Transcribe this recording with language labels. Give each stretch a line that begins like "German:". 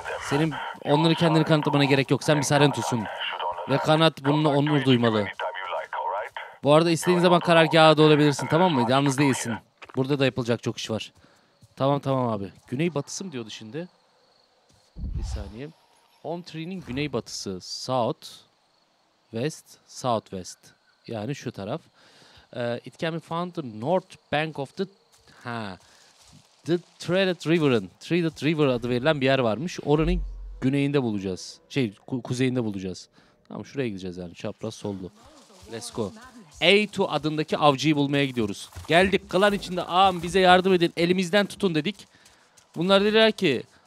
Turkish: Senin onları kendini kanıtlamana gerek yok. Sen bir Sarentus'un. Ve kanat bununla onur duymalı. Bu arada istediğin zaman karargâhı da olabilirsin, tamam mı? Yalnız değilsin. Burada da yapılacak çok iş var. Tamam tamam abi. Güneybatısı mı diyordu şimdi? Bir saniye. Home Tree'nin güneybatısı.
English: South, West, South West.
Turkish: Yani şu taraf.
English: It can be found the north bank of the... Ha. The Treaded River'ın.
Turkish: Treaded River adı verilen bir yer varmış. Oranın güneyinde bulacağız. Şey, kuzeyinde bulacağız. Tamam, şuraya gideceğiz yani. Çapraz sollu.
English: Let's go.
Turkish: A2 adındaki avcıyı bulmaya gidiyoruz. Geldik klan içinde. Ağam bize yardım edin. Elimizden tutun dedik. Bunlar dediler ki...